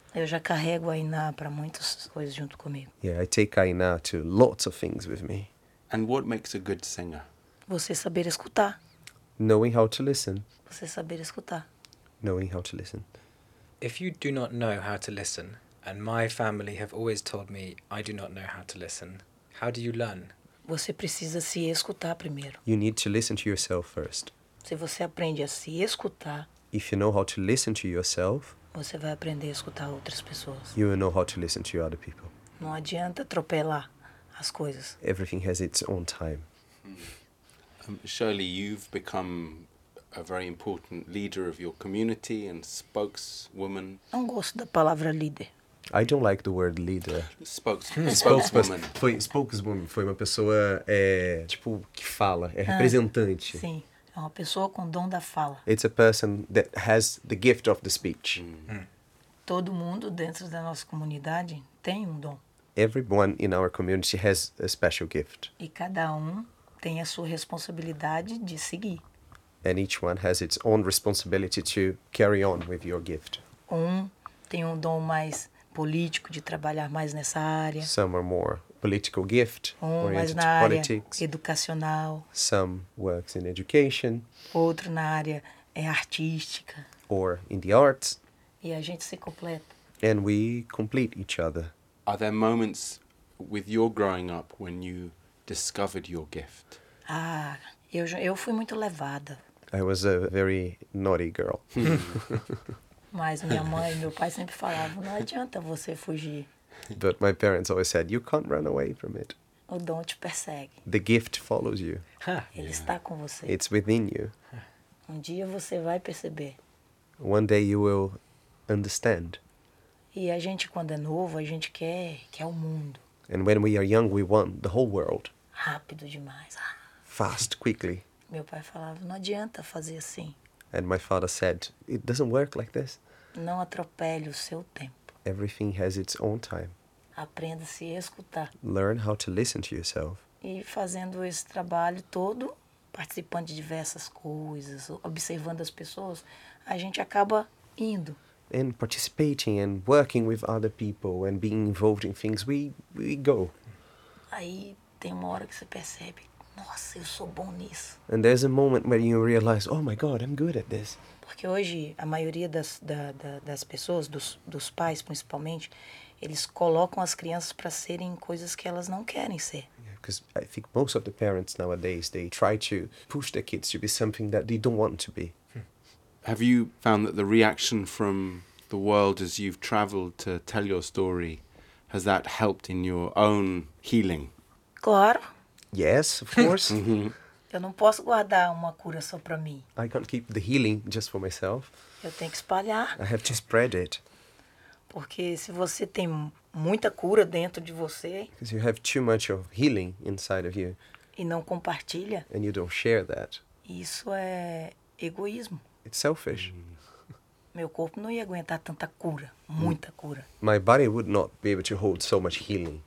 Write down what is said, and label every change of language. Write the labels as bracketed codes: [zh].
[pt] Eu já carrego a Aina para muitas coisas junto comigo. [en] Yeah, I take Aina to lots of things with me. And what makes a good singer? [pt] Você saber escutar. [en] Knowing how to listen. [pt] Você saber escutar. [en] Knowing how to listen. If you do not know how to listen, and my family have always told me I do not know how to listen, how do you learn? [pt] Você precisa se escutar primeiro. [en] You need to listen to yourself first. [pt] Se você aprende a se escutar, [en] if you know how to listen to yourself, [pt] você vai aprender a escutar outras pessoas. [en] You will know how to listen to other people. [pt] Não adianta atropelar as coisas. [en] Everything has its own time. Shirley, you've become a very important leader of your community and spokeswoman. [pt] Não gosto da palavra líder. [en] I don't like the word leader. Spokeswoman. Spokeswoman. [pt] Foi uma pessoa tipo que fala, é representante. Sim. É uma pessoa com dom da fala. [en] It's a person that has the gift of the speech. Mm. [pt] Todo mundo dentro da nossa comunidade tem dom. [en] Everyone in our community has a special gift. [pt] E cada tem a sua responsabilidade de seguir. [en] And each one has its own responsibility to carry on with your gift. [pt] Tem dom mais político de trabalhar mais nessa área. [en] Some are more political gift, oriented na to politics. [pt] Área educacional. [en] Some works in education. [pt] Outro na área artística. [en] Or in the arts. [pt] E a gente se completa. [en] And we complete each other. Are there moments with your growing up when you discovered your gift? [pt] Ah, eu fui muito levada. [en] I was a very naughty girl. [pt] Mas minha mãe e meu pai sempre falavam, não adianta você fugir. [en] But my parents always said, you can't run away from it. [pt] O dom te persegue. [en] The gift follows you. [pt] Ele está com você. [en] It's within you. [pt] Dia você vai perceber. [en] One day you will understand. [pt] E a gente, quando é novo, a gente quer o mundo. [en] And when we are young, we want the whole world. [pt] Rápido demais. [en] Fast, quickly. [pt] Meu pai falava, não adianta fazer assim. [en] And my father said, it doesn't work like this. [pt] Não atropele o seu tempo. [en] Everything has its own time. [pt] Aprenda a se escutar. [en] Learn how to listen to yourself. [pt] E fazendo esse trabalho todo, participando de diversas coisas, observando as pessoas, a gente acaba indo. [en] And participating and working with other people and being involved in things, we go. [pt] Aí tem uma hora que você percebe, nossa, eu sou bom nisso. [en] And there's a moment where you realize, oh my God, I'm good at this. [pt] Porque hoje, a maioria das pessoas, dos pais principalmente, eles colocam as crianças para serem coisas que elas não querem ser. [en] Because I think most of the parents nowadays, they try to push their kids to be something that they don't want to be. Have you found that the reaction from the world as you've traveled to tell your story, has that helped in your own healing? [pt] Claro. [en] Yes, of course. [pt] Eu não posso guardar uma cura só para mim. [en] I can't keep the healing just for myself. [pt] Eu tenho que espalhar. [en] I have to spread it. [pt] Porque se você tem muita cura dentro de você, [en] because you have too much of healing inside of you, [pt] e não compartilha, [en] and you don't share that, [pt] isso é egoísmo. [en] It's selfish. [pt] Meu corpo não ia aguentar tanta cura, muita cura. [en] My body would not be able to hold so much healing.